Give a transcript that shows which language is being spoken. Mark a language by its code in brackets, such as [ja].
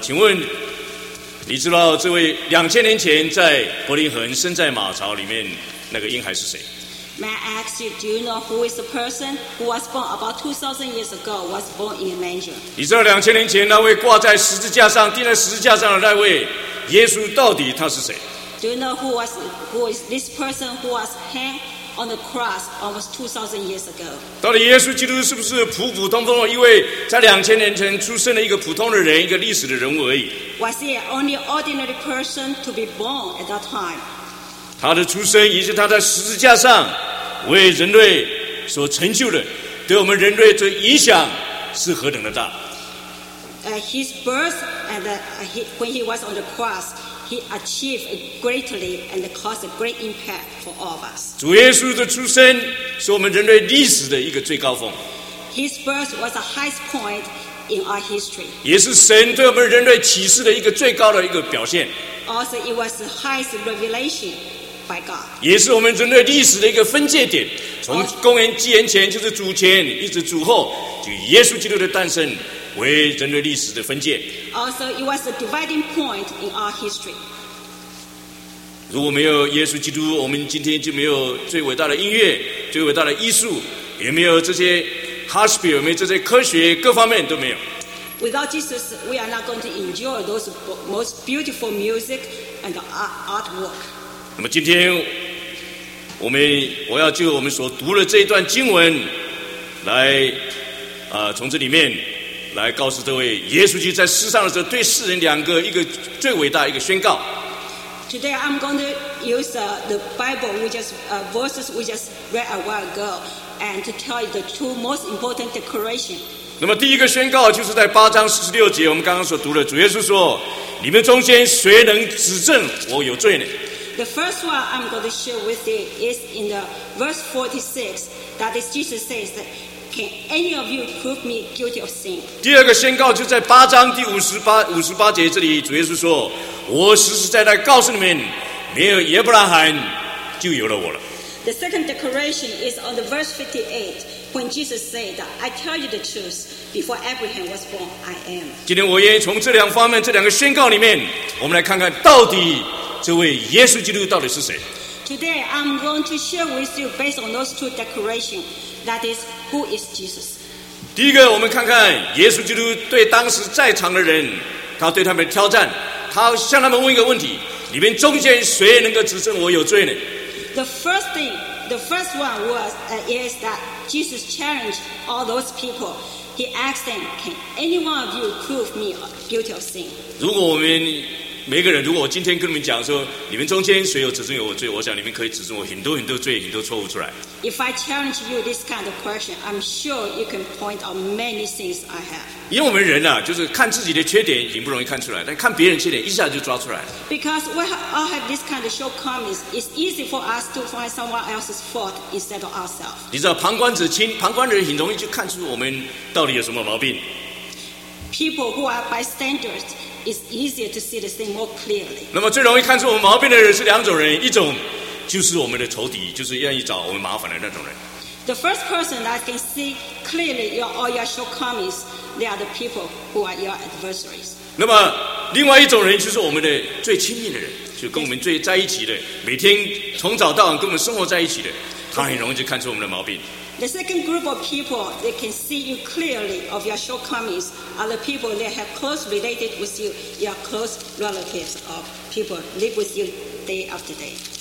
[zh] 请问你知道这位两千年前在伯利恒生在马槽里面那个婴孩是谁 [en] ？May I ask you, do you know who is the person who was born about 2,000 years ago was born in a manger? [zh] 你知道两千年前那位挂在十字架上、钉在十字架上的那位耶稣到底他是谁 [en] ？Do you know who is this person who was hanged on the cross almost 2,000 years ago? [zh] 到底耶稣基督是不是普普通通的一位在两千年前出生的一个普通的人、一个历史的人物而已？ [en] Was he only an ordinary person to be born at that time? [zh] 他的出生以及他在十字架上为人类所成就的，对我们人类的影响是何等的大 [en] ？His birth and when he was on the cross, he achieved greatly and caused a great impact for all of us. [zh] 主耶稣的出生是我们人类历史的一个最高峰。 [en] His birth was the highest point. In our history, [zh] 也是神对我们人类启示的一个最高的一个表现。 [en] Also, it was the highest revelation by God. [zh] 也是我们人类历史的一个分界点，从公元纪元前就是主前，一直主后，就耶稣基督的诞生为人类历史的分界。 [en] Also, it was the dividing point in our history. [zh] 如果没有耶稣基督，我们今天就没有最伟大的音乐、最伟大的艺术，也没有这些。 Hospital, 没这些科学各方面都没有。 [en] Without Jesus, we are not going to enjoy those most beautiful music and artwork. [zh] 那么今天，我要就我们所读的这一段经文来，从这里面来告诉这位耶稣基督在世上的时候对世人两个一个最伟大一个宣告。 [en] Today I'm going to use the Bible verses we just read a while ago. And to tell you the two most important declaration. [zh] 那么第一个宣告就是在八章十六节，我们刚刚所读的，主耶稣说：“你们中间谁能指证我有罪呢？” [en] The first one I'm going to share with you is in the verse 46. That is, Jesus says that, Can any of you prove me guilty of sin? [zh] 第二个宣告就在八章第五十八节这里，主耶稣说：“我实实在在告诉你们，没有亚伯拉罕，就有了我了。” [en] The second declaration is on the verse 58, when Jesus said, "I tell you the truth, before Abraham was born, I am." [zh] 今天我愿意从这两方面、这两个宣告里面，我们来看看到底这位耶稣基督到底是谁。 [en] Today, I'm going to share with you based on those two declarations. That is, who is Jesus? [zh] 第一个，我们看看耶稣基督对当时在场的人，他对他们的挑战，他向他们问一个问题：你们中间谁能够指证我有罪呢？ [en] The first one is that Jesus challenged all those people. He asked them, "Can any one of you prove me guilty of sin?" [zh] 如果我们每个人，如果我今天跟你们讲说，你们中间谁有指证有我罪，我想你们可以指证我很多很多罪、很多错误出来。 [en] If I challenge you this kind of question, I'm sure you can point out many things I have. [zh] 因为我们人啊，就是看自己的缺点已经不容易看出来，但看别人缺点一下就抓出来。 [en] Because we all have this kind of shortcomings, it's easy for us to find someone else's fault instead of ourselves. [zh] 你知道，旁观者清，旁观人很容易就看出我们到底有什么毛病。 [en] People who are bystanders. It's easier to see the thing more clearly. [zh] 那么最容易看出我们毛病的人是两种人，一种就是我们的仇敌，就是愿意找我们麻烦的那种人。 [en] The first person that can see clearly all your shortcomings, they are the people who are your adversaries. [zh] 那么另外一种人就是我们的最亲密的人，就跟我们最在一起的，每天从早到晚跟我们生活在一起的，他很容易就看出我们的毛病。 [en] The second group of people that can see you clearly of your shortcomings are the people that have close related with you, your close relatives of people live with you day after day.